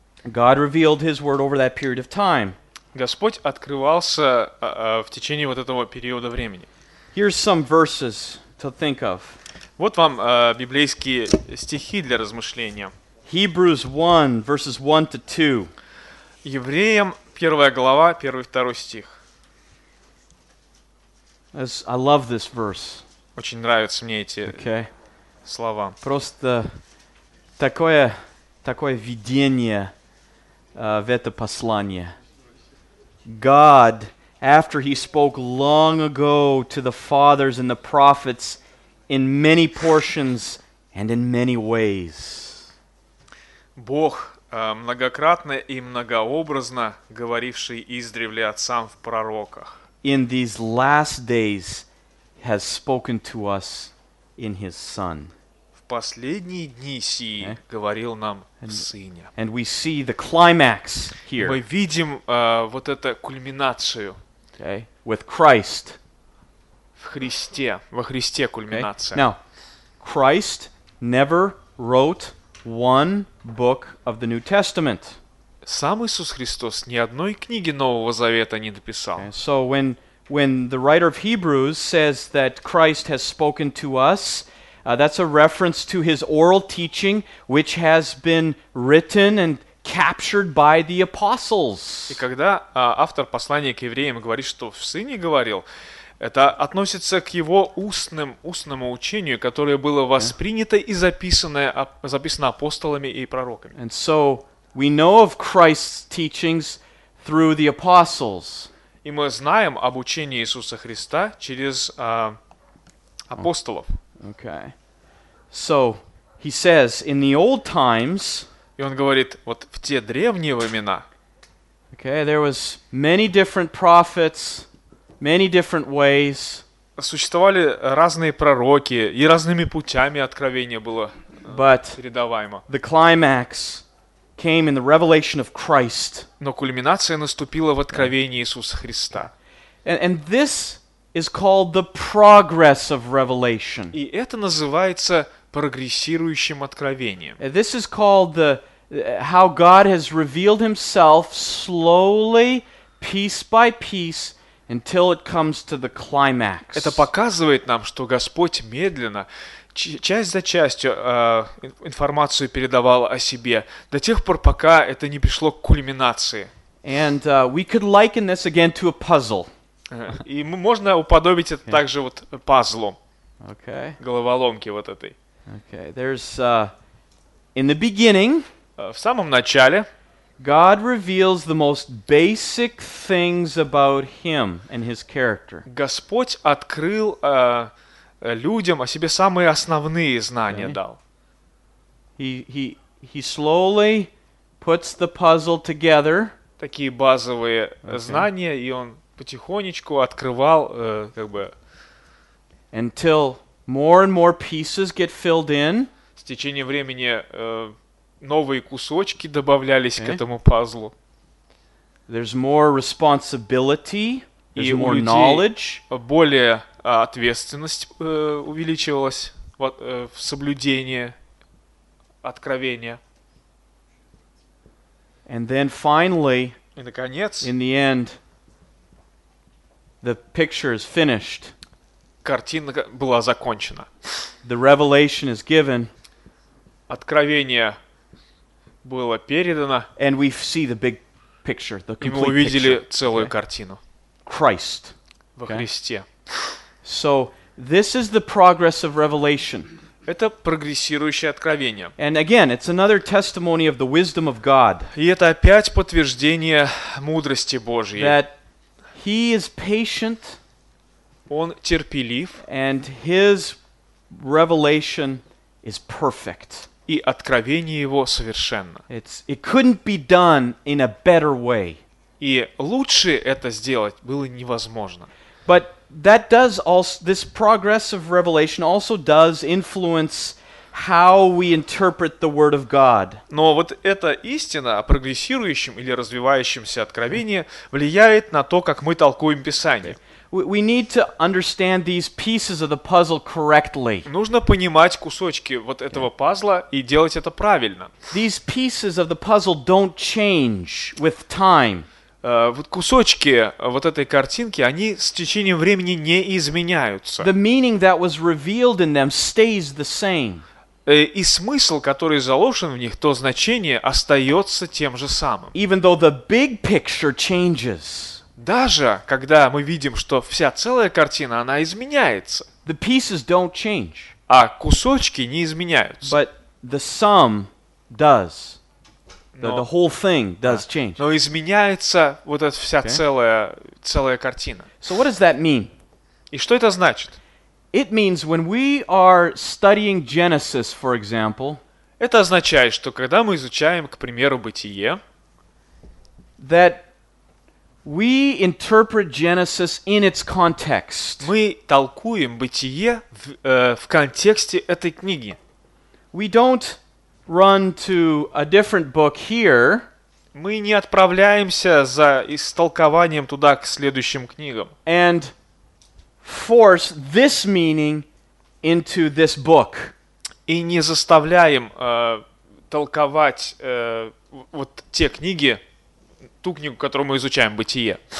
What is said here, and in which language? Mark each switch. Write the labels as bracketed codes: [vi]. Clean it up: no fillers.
[en] God revealed his word over that period of time. [ru] Господь открывался в течение вот этого периода времени. [en] Here's some verses to think of. [ru] Вот вам библейские стихи для размышления. [en] Hebrews 1, verses 1 to 2. [ru] Евреям, первая глава, первый и второй стих. [en] I love this verse. [ru] Очень нравятся мне эти [en] okay. [ru] слова. Просто такое видение в это послание. [en] God, after he spoke long ago to the fathers and the prophets in many portions and in many ways. [ru] Бог, многократно и многообразно говоривший издревле отцам в пророках. [en] In these last days has spoken to us in his Son. [ru] В последние дни сии говорил нам в Сыне. [en] And we see the climax here. [ru] Мы видим вот эту кульминацию. [en] Okay. With Christ. [ru] В Христе. Во Христе кульминация. [en] Okay. Now, Christ never wrote one book of the New Testament. [ru] Сам Иисус Христос ни одной книги Нового Завета не написал. [en] Okay. So when the writer of Hebrews says that Christ has spoken to us, that's a reference to his oral teaching, which has been written and captured by the apostles. [ru] И когда автор послания к евреям говорит, что в Сыне говорил, это относится к его устному учению, которое было воспринято и записано апостолами и пророками. [en] And so we know of Christ's teachings through the apostles. [ru] И мы знаем об учении Иисуса Христа через апостолов. [en] Okay. So he says in the old times. [ru] И он говорит, вот в те древние времена. [en] Okay, there was many different prophets, many different ways. [ru] Существовали разные пророки, и разными путями откровение было передаваемо. [en] But the climax came in the revelation of Christ. [ru] Но кульминация наступила в откровении Иисуса Христа. [en] And this is called the progress of revelation. [ru] И это называется прогрессирующим откровением. [en] This is called the how God has revealed himself slowly, piece by piece, until it comes to the climax. [ru] Это показывает нам, что Господь медленно, часть за частью, информацию передавал о себе, до тех пор, пока это не пришло к кульминации. [en] And we could liken this again to a puzzle. [ru] И можно уподобить это также вот пазлу. [en] Okay. [ru] Головоломке вот этой. [en] Okay, there's in the beginning. [ru] В самом начале [en] God reveals the most basic things about him and his character. [ru] Господь открыл людям о себе самые основные знания дал. [en] He slowly puts the puzzle together. [ru] Такие базовые знания, и он потихонечку открывал [en] until more and more pieces get filled in. [ru] С течением времени новые кусочки добавлялись к этому пазлу. [en] There's more responsibility, there's more knowledge. [ru] Более ответственность увеличивалась в соблюдении откровения. [en] And then finally, [ru] и наконец, [en] in the end, the picture is finished. [ru] Картина была закончена. [en] The revelation is given. [ru] Откровение было передано. [en] And we see the big picture, the complete picture. [ru] И мы увидели [en] picture. [ru] Целую [en] okay. [ru] картину. [en] Christ. [ru] Во [en] okay. [ru] Христе. [en] So this is the progress of revelation. [ru] Это прогрессирующее откровение. [en] And again, it's another testimony of the wisdom of God. [ru] И это опять подтверждение мудрости Божьей. [en] That he is patient. [ru] Он терпелив. [en] And his revelation is perfect. [ru] и откровение Его совершенно. [en] It couldn't be done in a better way. [ru] И лучше это сделать было невозможно. [en] But that does also, this progress of revelation also does influence how we interpret the Word of God. [ru] Но вот эта истина о прогрессирующем или развивающемся откровении влияет на то, как мы толкуем Писание. [en] We need to understand these pieces of the puzzle correctly. [ru] Нужно понимать кусочки вот этого пазла и делать это правильно. [en] These pieces of the puzzle don't change with time. [ru] Вот кусочки вот этой картинки, они с течением времени не изменяются. [en] The meaning that was revealed in them stays the same. [ru] И смысл, который заложен в них, то значение остается тем же самым. [en] Even though the big picture changes. [ru] Даже когда мы видим, что вся целая картина, она изменяется. [en] The pieces don't change. [ru] А кусочки не изменяются. [en] But the sum does. The whole thing does change. [ru] Но изменяется вот эта вся целая картина. [en] So what does that mean? [ru] И что это значит? [en] It means when we are studying Genesis, for example. [ru] Это означает, что когда мы изучаем, к примеру, Бытие, [en] that we interpret Genesis in its context. [ru] Мы толкуем Бытие в контексте этой книги. [en] We don't run to a different book here. [ru] Мы не отправляемся за истолкованием туда к следующим книгам. [en] And force this meaning into this book. [ru] И не заставляем толковать вот те книги, ту книгу, которую мы изучаем, Бытие.